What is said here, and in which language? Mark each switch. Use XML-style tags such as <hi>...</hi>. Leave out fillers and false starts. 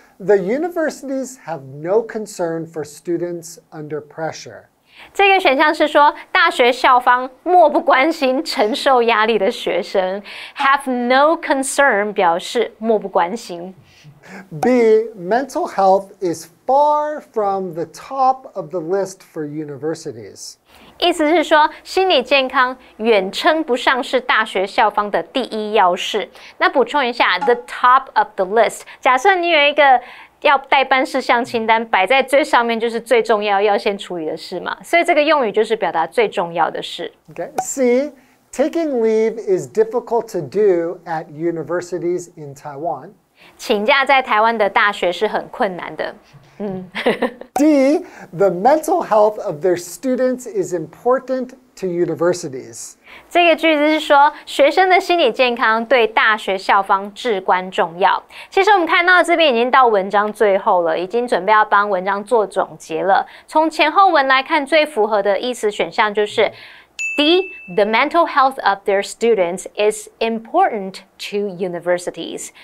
<en>The universities have no concern for students under pressure.</en> <zh>这个选项是说大学校方漠不关心承受压力的学生。</zh> <en>Have no concern</en> <zh>表示漠不关心。</zh> <en>B. Mental health is far from the top of the list for universities.</en> <zh>意思是说心理健康远称不上是大学校方的第一要事。那补充一下</zh> <en>The top of the list,</en> <zh>假设你有一个要代办事项清单摆在最上面，就是最重要要先处理的事嘛，所以这个用语就是表达最重要的事。</zh> <en>Okay. C. Taking leave is difficult to do at universities in Taiwan.</en> <zh>请假在台湾的大学是很困难的。</zh> <en>D, the mental health of their students is important to universities.</en> <zh>这个句子是说学生的心理健康对大学校方至关重要。其实我们看到这边已经到文章最后了，已经准备要帮文章做总结了。从前后文来看，最符合的意思选项就是D,</zh> <en>the mental health of their students is important to universities.</en>